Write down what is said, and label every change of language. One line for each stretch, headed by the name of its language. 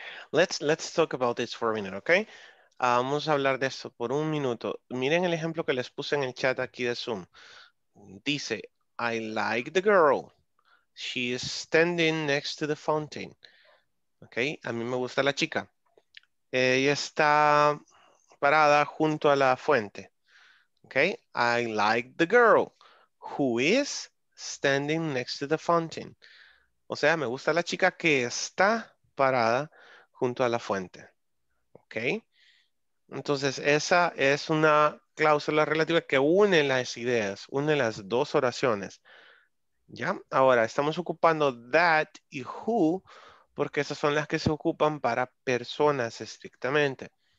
English: Let's talk about this for a minute, okay?
Spanish: Vamos a hablar de esto por un minuto. Miren el ejemplo que les puse en el chat aquí de Zoom.
English: Dice, I like the girl. She is standing next to the fountain.
Spanish: Okay, a mí me gusta la chica. Ella está parada junto a la fuente.
English: Okay, I like the girl who is standing next to the fountain.
Spanish: O sea, me gusta la chica que está parada junto a la fuente. Ok. Entonces, esa es una cláusula relativa que une las ideas, une las dos oraciones. ¿Ya? Ahora, estamos ocupando that y who porque esas son las que se ocupan para personas estrictamente.